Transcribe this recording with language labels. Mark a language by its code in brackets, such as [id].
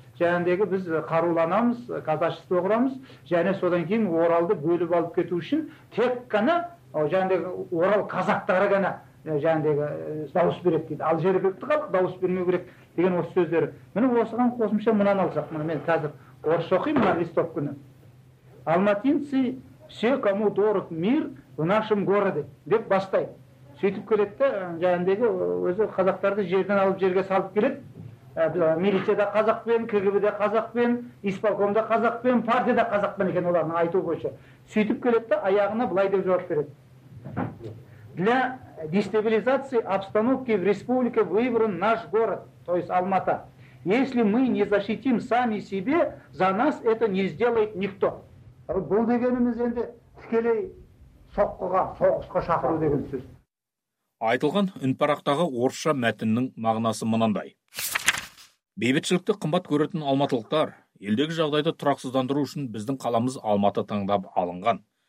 [kk] Жәндегі біз қаруланамыз, казашты оғырамыз, және содан кейін Оралды бөліп алып кету үшін тек қана жәндегі Орал қазақтары ғана жәндегі дауыс береді дейді. Ал жергілікті халық дауыс бермеу керек деген осы сөздері. Міне осыған қосымша мынаны алсақ, мына мен қазір орыс оқимын, мына листовканы. [ru] Алматинцы все, кому дорог мир в нашем городе [kk] деп бастайды. Сөйтіп келеді де, жәндегі өзі қазақтарды жерден алып жерге салып келеді. Милицияда қазақпен, КГБ-де қазақпен, исполкомда қазақпен, партияда қазақпен екен олардың айтуы бойынша. Сөйтіп келеді де, аяғына былай деп жауап береді. Для [ru] дестабилизации обстановки в республике выбран наш город, то есть Алматы. Если мы не защитим сами себе, за нас это не сделает никто. [kk] Бұл дегеніміз енді тікелей соққыға, соғысқа шақыру деген сөз. Айтылған үнпарақтағы орысша мәтіннің мағынасы мынандай. Бейбітшілікті қымбат көретін алматылықтар, елдегі жағдайды тұрақсыздандыру үшін біздің қаламыз Алматы таңдап алынған.